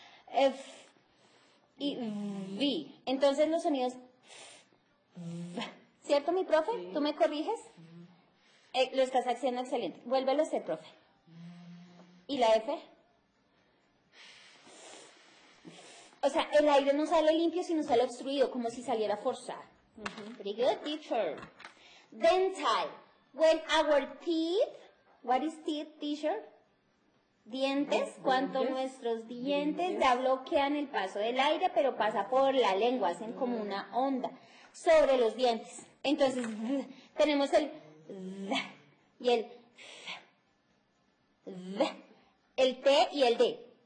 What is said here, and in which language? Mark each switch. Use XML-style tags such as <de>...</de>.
<es>F y V. Entonces los sonidos F, ¿cierto, mi profe? Sí. ¿Tú me corriges? Lo estás haciendo excelente. Vuélvelo a hacer, profe. ¿Y la F? O sea, el aire no sale limpio, sino sale obstruido, como si saliera forzado.</es> <en>Pretty good, teacher. Dental. When our teeth... What is teeth, teacher?</en> <es>dientes, cuánto nuestros dientes ya bloquean el paso del aire, pero pasa por la lengua, hacen como una onda sobre los dientes. Entonces, tenemos el y el T y el D.</es>